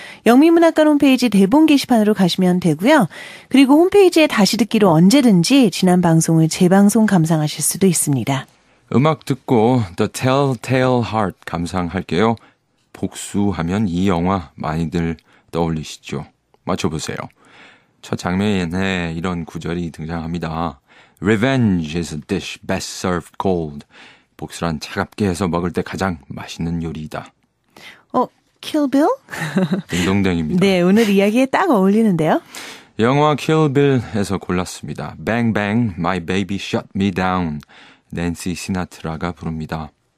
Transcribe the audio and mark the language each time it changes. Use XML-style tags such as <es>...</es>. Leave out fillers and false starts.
<ko>영미문학관 홈페이지 대본 게시판으로 가시면 되고요. 그리고 홈페이지에 다시 듣기로 언제든지 지난 방송을 재방송 감상하실 수도 있습니다. 음악 듣고 The Telltale Heart 감상할게요. 복수하면 이 영화 많이들 떠올리시죠. 맞춰보세요. 첫 장면에 이런 구절이 등장합니다.</ko> <en>Revenge is a dish best served cold.</en> <ko>복수란 차갑게 해서 먹을 때 가장 맛있는 요리이다. 어, Kill Bill? 딩동댕입니다. 네, 오늘 이야기에 딱 어울리는데요. 영화 Kill Bill에서 골랐습니다.</ko> <en>Bang Bang, My Baby Shut Me Down.</en> <ko>낸시 시나트라가 부릅니다.</ko>